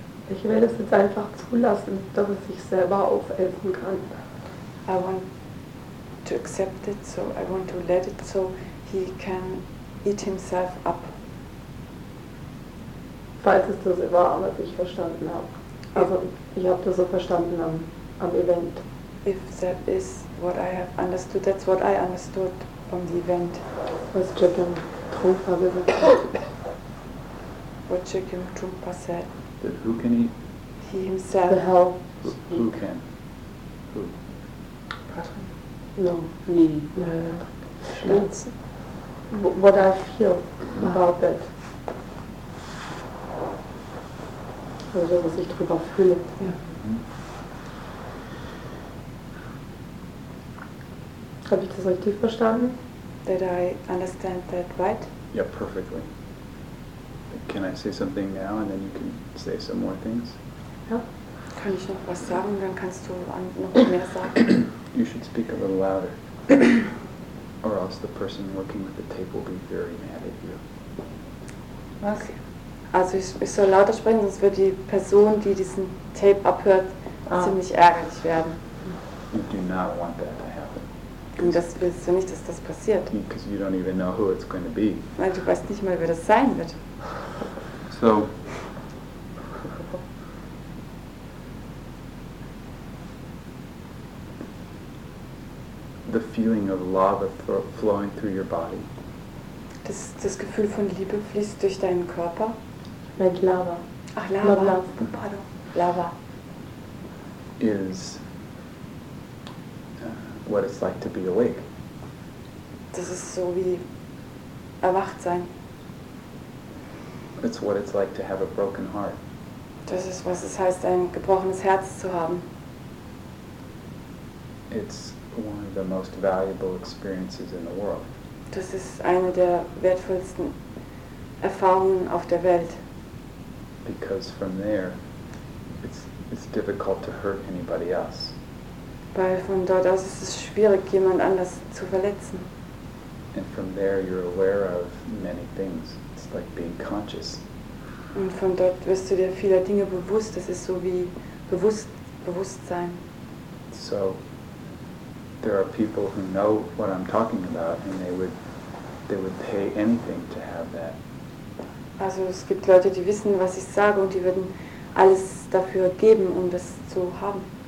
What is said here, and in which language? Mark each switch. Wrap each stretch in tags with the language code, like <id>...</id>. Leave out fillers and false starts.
<de>Ich will es jetzt einfach zulassen, dass es sich selber aufessen kann.</de> <en>I want to accept it, so I want to let it, so he can eat himself up.</en> <de>Falls es das war, was ich verstanden habe. Also ich habe das so verstanden am Event.</de> <en>If that is what I have understood, that's what I understood. From the event.</en> <de>Was Jacqueline Trumpa gesagt</de> <en>hat. What Jacqueline Trumpa said. That who can eat? He himself. The hell. Who can? Who? Patrick. No, me. That's what I feel about that.</en> <de>Also, was ich drüber fühle. Ja. Habe ich das richtig verstanden?</de> <en>Did I understand that right? Yeah, perfectly. Can I say something now and then you can say some more things? Yeah.</en> <de>Kann ich noch was sagen, dann kannst du noch mehr sagen.</de> <en>You should speak a little louder. Or else the person working with the tape will be very mad at you.</en> <de>Was? Also ich soll lauter sprechen, sonst wird die Person, die diesen Tape abhört, ziemlich ärgerlich werden.</de> <en>You do not want that to happen.</en> <de>Und das willst du nicht, dass das passiert.</de> <en>Because you don't even know who it's going to be.</en> <de>Weil du weißt nicht mal, wer das sein wird.</de> <en>So. The feeling of lava flowing through your body.</en> <de>Das Gefühl von Liebe fließt durch deinen Körper. Mit Lava. Ach, Lava. Lava.</de> <en>Is. What it's like to be awake.</en> <de>Das ist so wie erwacht sein.</de> <en>It's what it's like to have a broken heart.</en> <de>Das ist, was es heißt, ein gebrochenes Herz zu haben.</de> <en>It's one of the most valuable experiences in the world.</en> <de>Das ist eine der wertvollsten Erfahrungen auf der Welt.</de> <en>Because from there, it's it's difficult to hurt anybody else.</en> <de>Weil von dort aus ist es schwierig, jemand anders zu verletzen.</de> <en>And from there you're aware of many things. It's like being conscious.</en> <de>Und von dort wirst du dir vieler Dinge bewusst. Das ist so wie Bewusstsein.</de> <en>So, there are people who know what I'm talking about, and they would pay anything to have that.</en> <de>Also es gibt Leute, die wissen, was ich sage, und die würden alles dafür geben, um das zu haben.</de>